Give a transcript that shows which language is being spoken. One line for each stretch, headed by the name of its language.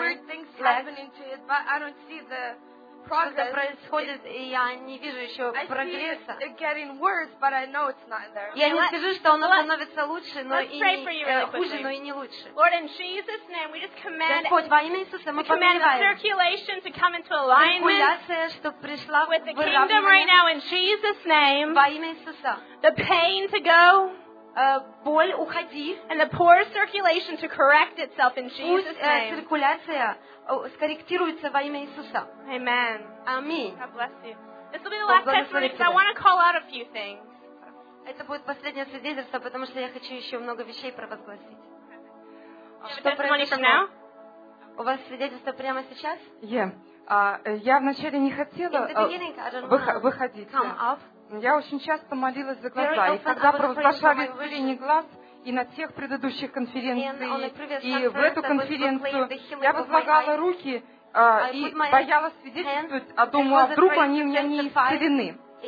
English: weird things happening to it, but I don't see the progress.
Russian: Что-то происходит, и я не вижу еще прогресса.
English: I see it getting worse, but I know it's not there.
Russian: Я не скажу, что оно становится лучше, но и хуже, но и не лучше.
English: Lord, in Jesus' name, we just command.
Russian: Господь, во имя Иисуса, мы повелеваем.
English: Circulation to come into alignment. With the kingdom right now, in Jesus' name.
Russian: Во имя Иисуса.
English: The pain to go.
Russian: Боль уходи.
English: And the poor circulation to correct itself in Jesus' name.
Russian: Пусть циркуляция скорректируется во имя Иисуса.
English: Amen.
Russian: Аминь.
English: God bless you. This will be the last testimony, because I want to call out a few things.
Russian: Это будет последнее свидетельство, потому что я хочу еще много вещей провозгласить. Что произошло? У вас свидетельство прямо сейчас?
English: Yeah.
Russian: Я вначале не хотела выходить. Я очень часто молилась за глаза, и когда провозглашали исцеление глаз, и на тех предыдущих конференциях, и в эту конференцию, я возлагала руки и боялась свидетельствовать, а думала, вдруг они у меня не исцелены.